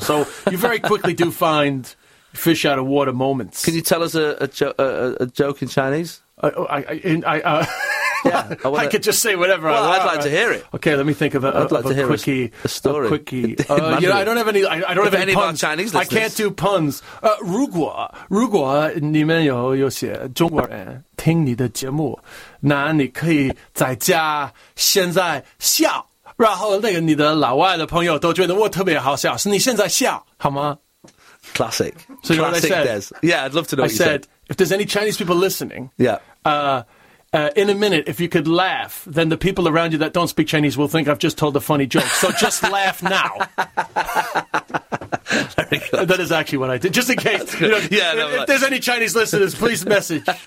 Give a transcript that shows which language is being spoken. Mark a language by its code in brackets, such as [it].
[en] So you very quickly do find fish out of water moments. Can you tell us a joke in Chinese? I could just say whatever I want. Well, I'd like to hear it. Okay, let me think of a quickie story. I don't have any. I don't if have any puns. Of our Chinese listeners. I can't do puns. [zh] 如果你们有些中国人听你的节目，那你可以在家现在笑，然后那个你的老外的朋友都觉得我特别好笑，是你现在笑好吗 [en] ？Classic. So you know what I said? Yeah, I'd love to know. I said, if there's any Chinese people listening, in a minute, if you could laugh, then the people around you that don't speak Chinese will think I've just told a funny joke. So just laugh now. That is actually what I did. Just in case. You know, if there's any Chinese listeners, please message.